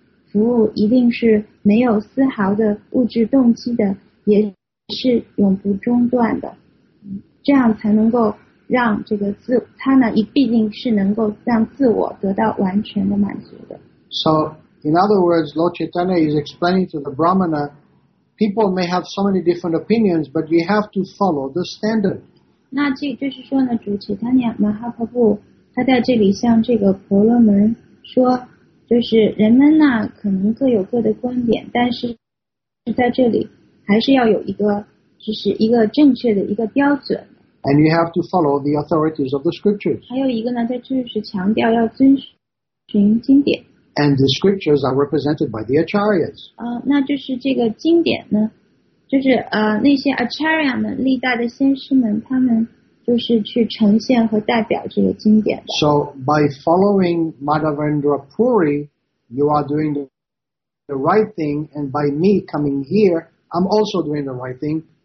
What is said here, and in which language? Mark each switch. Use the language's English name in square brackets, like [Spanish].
[Chinese] 服务一定是没有丝毫的物质动机的也是永不中断的这样才能够让这个自他呢也毕竟是能够让自我得到完全的满足的 [English] So in other words Lord Chaitanya is explaining to the Brahmana people may have so many different opinions but we have to follow the standard [Chinese] 那这就是说呢主 Chaitanya Mahaprabhu 他在这里向这个婆罗门说就是人们呢可能各有各的观点但是在这里还是要有一个就是一个正确的一个标准 [English] And you have to follow the authorities of the scriptures [Chinese] 还有一个呢它就是强调要遵循经典 [English] And the scriptures are represented by the acharyas [Chinese] 那就是这个经典呢就是那些 acharya 们历代的先师们他们就是去呈现和代表这个经典的。 [English] So by following Madhavendra Puri, you are doing the right thing, and by me coming here, I'm also doing the right thing.